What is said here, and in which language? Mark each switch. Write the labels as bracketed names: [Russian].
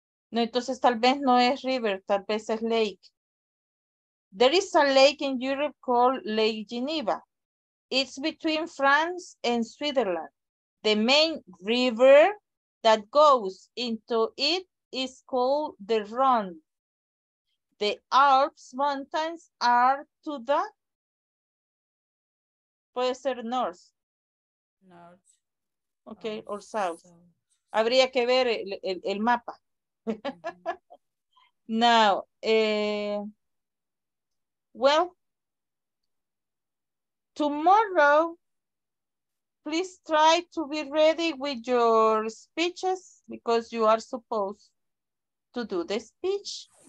[Spanish] No, entonces tal vez no es river, tal vez es lake. [English] There is a lake in Europe called Lake Geneva. It's between France and Switzerland. The main river that goes into it is called the Rhone. The Alps mountains are to the puede ser north. North. Okay, or south. [Spanish] Habría que ver el mapa. Mm-hmm. Now, [English] Well, tomorrow, please try to be ready with your speeches because you are supposed to do the speech.